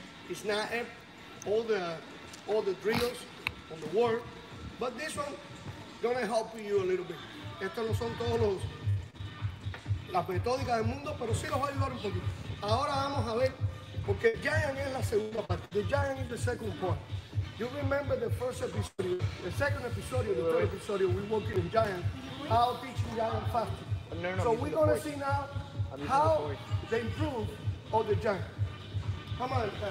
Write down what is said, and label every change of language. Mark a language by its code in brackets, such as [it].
[en] It's not all the drills on the world, but this one gonna help you a little bit. [es] Estos no son todos los las metódicas del mundo, pero sí los va a ayudar un poquito. Ahora vamos a ver porque Giant es la segunda parte. [en] The Giant is the second part. You remember the first episode, the second episode, the third episode? We working in Giant. How teaching Giant faster? So we're gonna see now how they improve on the Giant. Come on,